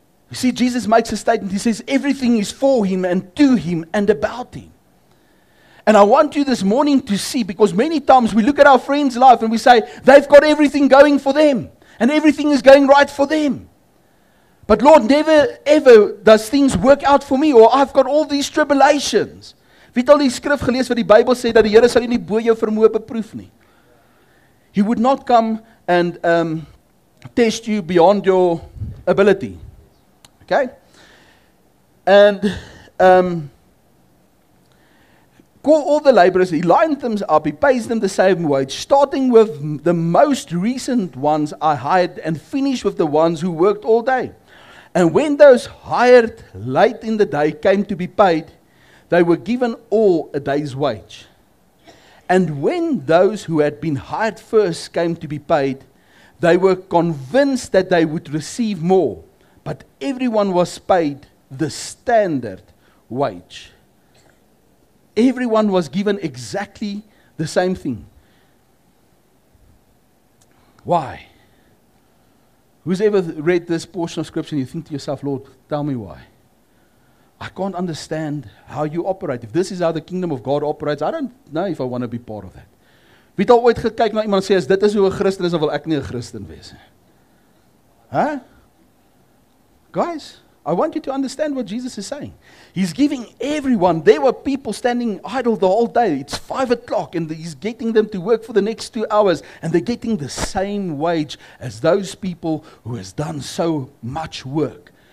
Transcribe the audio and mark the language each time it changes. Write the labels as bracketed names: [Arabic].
[English] You see, Jesus makes a statement. He says, everything is for him and to him and about him. And I want you this morning to see, because many times we look at our friend's life and we say, they've got everything going for them. And everything is going right for them. But Lord, never ever does things work out for me, or I've got all these tribulations. [Afrikaans] Wie het al die skrif gelees wat die Bible sê, dat die Here sal jy nie bo jou vermoë beproef nie. [English] He would not come and test you beyond your ability. Okay? And... call all the laborers, he lined them up, he pays them the same wage, starting with the most recent ones I hired and finish with the ones who worked all day. And when those hired late in the day came to be paid, they were given all a day's wage. And when those who had been hired first came to be paid, they were convinced that they would receive more. But everyone was paid the standard wage. Everyone was given exactly the same thing. Why? Who's ever read this portion of scripture and you think to yourself, Lord, tell me why? I can't understand how you operate. If this is how the kingdom of God operates, I don't know if I want to be part of that. [Afrikaans] Wie het al ooit gekyk na iemand en sê, as dit is hoe 'n Christen is, dan wil ek nie 'n Christen wees nie. Huh? [English] Guys, I want you to understand what Jesus is saying. He's giving everyone, there were people standing idle the whole day. It's 5 o'clock and he's getting them to work for the next 2 hours. And they're getting the same wage as those people who has done so much work.